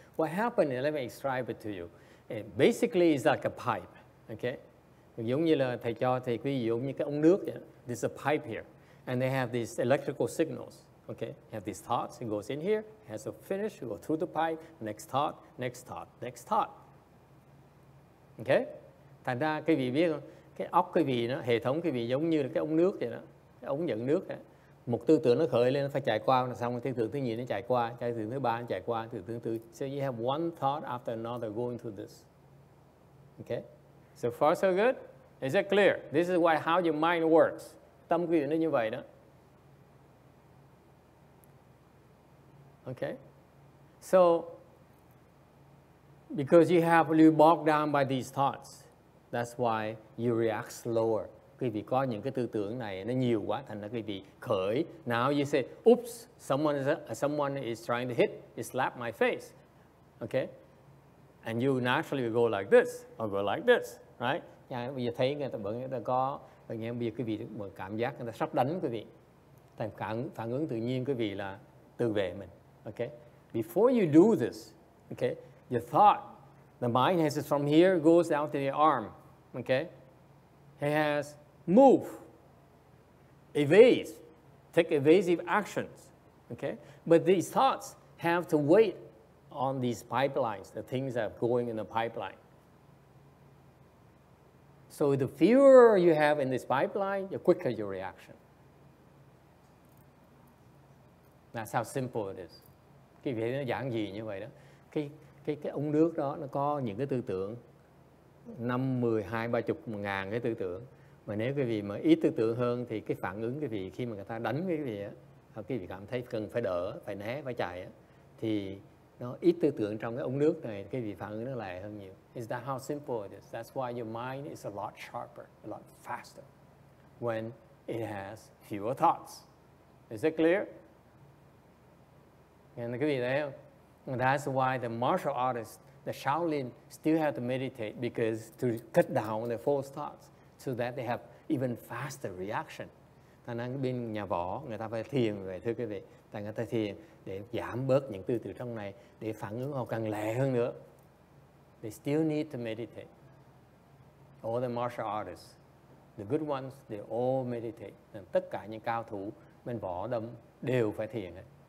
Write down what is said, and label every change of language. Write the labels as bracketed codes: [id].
[en] What happened is, let me describe it to you. Basically, it's like a pipe, okay? [vi] Giống như là thầy cho thầy ví dụ như cái ống nước vậy. [en] This is a pipe here, and they have these electrical signals, okay? You have these thoughts, it goes in here, has a finish, it goes through the pipe, next thought, next thought, next thought, okay? [vi] Thành ra, quý vị biết không? Cái óc quý vị nó, hệ thống quý vị giống như là cái ống nước vậy đó, cái ống dẫn nước vậy. Một tư tưởng nó khởi lên, nó phải chạy qua, xong tư tưởng thứ nhì nó chạy qua, tư tưởng thứ ba nó chạy qua, tư tưởng thứ tư. [en] So you have one thought after another going through this. Okay? So far so good? Is that clear? This is why how your mind works. [vi] Tâm quý vị nó như vậy đó. [en] Okay? So, because you have bogged down by these thoughts, that's why you react slower [vi] quý vị có những cái tư tưởng này nó nhiều quá, thành ra quý vị khởi. [en] Now you say, oops, someone is trying to hit, slap my face. Okay? And you naturally go like this, or go like this, right? [vi] Yeah, bây giờ thấy người ta có, bây giờ quý vị cảm giác người ta sắp đánh quý vị. Thành phản ứng tự nhiên quý vị là tự vệ mình. [en] Okay? Before you do this, okay, your thought, the mind has it from here, goes out to the arm. Okay? He has move, evade, take evasive actions. Okay? But these thoughts have to wait on these pipelines, the things that are going in the pipeline. So the fewer you have in this pipeline, the quicker your reaction. That's how simple it is. [vi] Cái việc nó giản dị như vậy đó. Cái ống nước đó nó có những cái tư tưởng 5, 10, 20, 30 ngàn cái tư tưởng. Mà nếu quý vị mà ít tư tưởng hơn thì cái phản ứng quý vị khi mà người ta đánh quý vị á, quý vị cảm thấy cần phải đỡ, phải né, phải chạy á, thì nó ít tư tưởng trong cái ống nước này, quý vị phản ứng nó lại hơn nhiều. [en] Is that how simple it is? That's why your mind is a lot sharper, a lot faster when it has fewer thoughts. Is it clear? And [vi] quý vị thấy không? [en] That's why the martial artists, the Shaolin, still have to meditate because to cut down their false thoughts so that they have even faster reaction. [vi] Thành ra bên nhà võ, người ta phải thiền về, thưa quý vị. Tại người ta thiền để giảm bớt những tư tưởng trong này, để phản ứng họ càng lẹ hơn nữa. [en] They still need to meditate. All the martial artists, the good ones, they all meditate. [vi] Thì tất cả những cao thủ bên võ đâm đều phải thiền hết.